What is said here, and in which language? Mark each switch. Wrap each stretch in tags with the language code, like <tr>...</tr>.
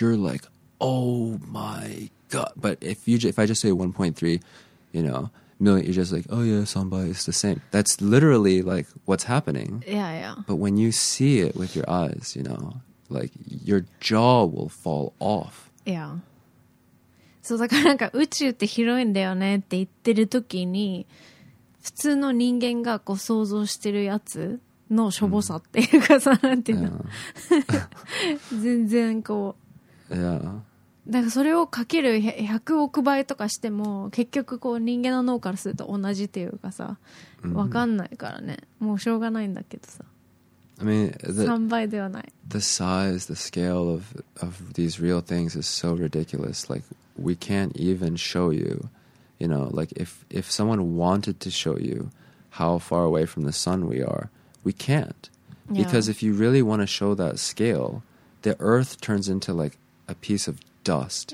<en>You're like, oh my God. But if I just say 1.3, you know, million, you're just like, oh yeah, samba is the same. That's literally like what's happening. Yeah, yeah. But when you see it with your eyes, you know, like your jaw will fall off. Yeah.</en> <ja>そうだからなんか宇宙って広いんだよねって言ってる時に普通の人間がこう想像してるやつのしょぼさっていうかさ、なんていうの、全然こう、だからそれをかける100億倍とかしても結局こう人間の脳からすると同じっていうかさ、わかんないからね、もうしょうがないんだけどさ。</ja> <en>I mean, the size, the scale of these real things is so ridiculous. Like, we can't even show you, you know, like if someone wanted to show you how far away from the sun we are, we can't. Yeah. Because if you really want to show that scale, the earth turns into like a piece of dust.</en>